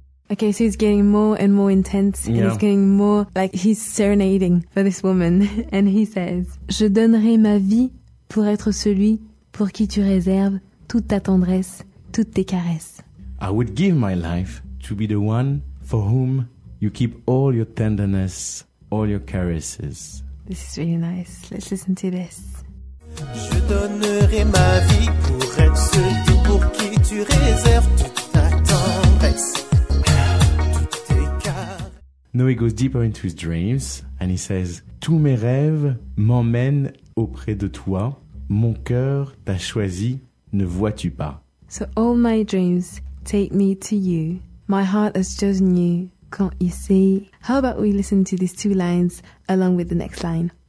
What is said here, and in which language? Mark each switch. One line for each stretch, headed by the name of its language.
English: Okay, so he's getting more and more intense, and he's getting more, like, he's serenading for this woman. And he says,
French: je donnerai ma vie pour être celui pour qui tu réserves toute ta tendresse, toutes tes caresses.
English: I would give my life to be the one for whom you keep all your tenderness, all your caresses. This is really nice. Let's listen to this.
French: Je donnerai ma vie pour être celui pour qui tu réserves toute ta tendresse, toutes tes caresses.
English: Now he goes deeper into his dreams and he says,
French: tous mes rêves m'emmènent auprès de toi. Mon cœur t'a choisi, ne vois-tu pas?
English: So all my dreams take me to you. My heart has chosen you. Can't you see? How about we listen to these two lines along with the next line?